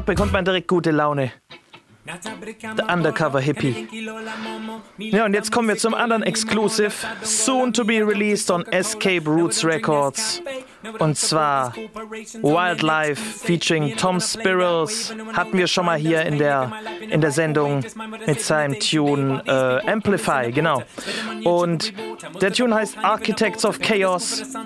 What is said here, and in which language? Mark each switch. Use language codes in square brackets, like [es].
[de] Bekommt man direkt gute Laune. [en] The Undercover Hippie. [de] Ja, und jetzt kommen wir zum anderen Exclusive. [en] Soon to be released on Escape Roots Records. [de] Und zwar Wildlife featuring Tom Spirals. Hatten wir schon mal hier in der Sendung mit seinem Tune Amplify, genau. Und der Tune heißt Architects of Chaos.